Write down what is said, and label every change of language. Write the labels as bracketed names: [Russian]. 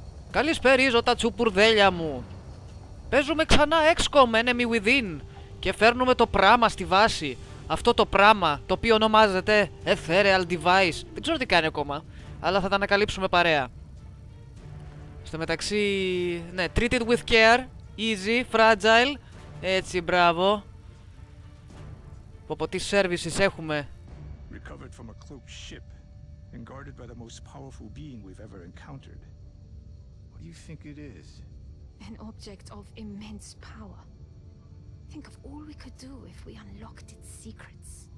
[Greek] Καλησπέριζω τα τσουπουρδέλια μου. Παίζουμε ξανά XCOM Enemy Within και φέρνουμε το πράμα στη βάση. Αυτό το πράμα το οποίο ονομάζεται Ethereal Device. Δεν ξέρω τι κάνει ακόμα, αλλά θα τα ανακαλύψουμε παρέα. Στο μεταξύ, ναι, [English] treat it with care, easy, fragile. [Greek] Έτσι, μπράβο. Από τι services έχουμε. [English] Recovered from a cloaked ship and guarded by the most powerful being we've ever encountered. What do you think it is? An object of immense power. Think of all we could do if we unlocked its secrets.